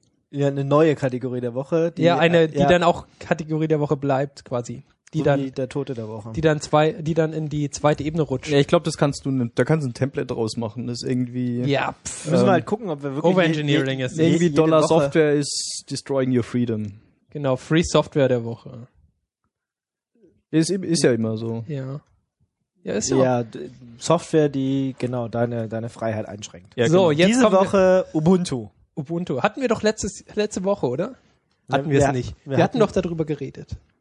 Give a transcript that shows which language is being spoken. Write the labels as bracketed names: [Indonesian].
[German] Ja, eine neue Kategorie der Woche. Die dann auch Kategorie der Woche bleibt, quasi. Die so dann, wie der Tote der Woche. Die dann in die zweite Ebene rutscht. Ja, ich glaube, da kannst du ein Template draus machen. Das ist irgendwie. Ja, müssen wir halt gucken, ob wir wirklich. Overengineering ist. Irgendwie Dollar Woche. [English] Software is destroying your freedom. [German] Genau, Free Software der Woche. Ist ja immer so. Ja. Ja, ist ja. Software, die genau deine Freiheit einschränkt. Ja, so, genau. Jetzt diese Woche Ubuntu. Ubuntu. Hatten wir doch letzte Woche, oder? Hatten wir es nicht. Wir hatten doch darüber geredet.